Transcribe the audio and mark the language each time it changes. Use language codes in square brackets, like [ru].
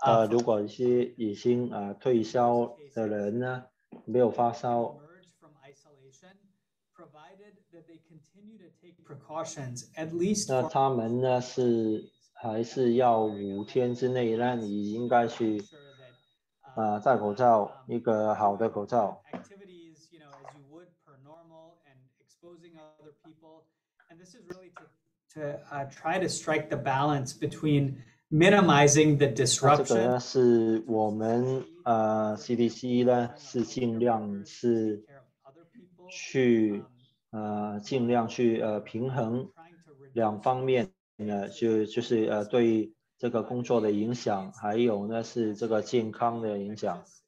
[zh] 如果一些已经退烧的人呢，没有发烧。 [en] Emerge from isolation, provided that they continue to take precautions at least. [zh] 那他们呢是还是要5天之内，那你应该去戴口罩，一个好的口罩。 [en] Activities, you know, as you would per normal, and exposing other people, and this is really to try to strike the balance between minimizing the disruption. [zh] 这个呢是我们CDC 呢是尽量去平衡两方面的，就是对这个工作的影响，还有呢是这个健康的影响。